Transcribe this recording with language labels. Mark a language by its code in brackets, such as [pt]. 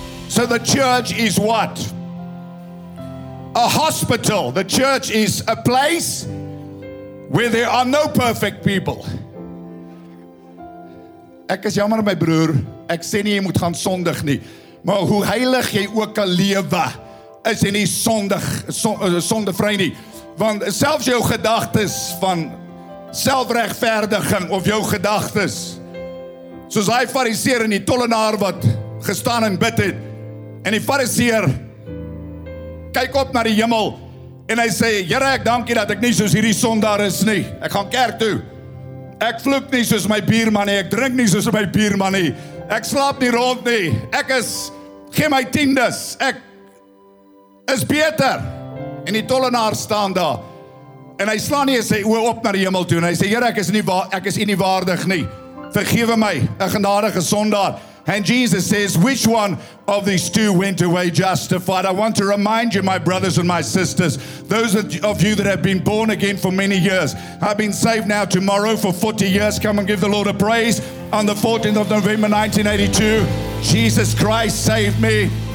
[en] So the church is what? A hospital. The church is a place where there are no perfect people. [af] Ek is jammer, my broer. Ek sê nie jy moet gaan sondig nie. Maar hoe heilig jy ook kan lewe, is jy nie sondevry nie. Want selfs jou gedagtes van selfregverdiging, of jou gedagtes, soos hy fariseer en die tollenaar wat gestaan en bid het, en die fariseer kyk op na die hemel en hy sê, Here, ek dank u dat ek nie soos hierdie sondaar is nie. Ek gaan kerk toe. Ek vloek nie soos my buurman nie. Ek drink nie soos my buurman nie. Ek slaap nie rond nie. Ek is, gee my tiendes. Ek is beter. En die tollenaar staan daar. En hy slaan nie sy oë op na die hemel toe. En hy sê, Here, ek is nie waardig nie. Vergewe my, 'n genadige sondaar. [en] And Jesus says, which one of these two went away justified? I want to remind you, my brothers and my sisters, those of you that have been born again for many years, I've been saved now tomorrow for 40 years. Come and give the Lord a praise. On the 14th of November, 1982, Jesus Christ saved me.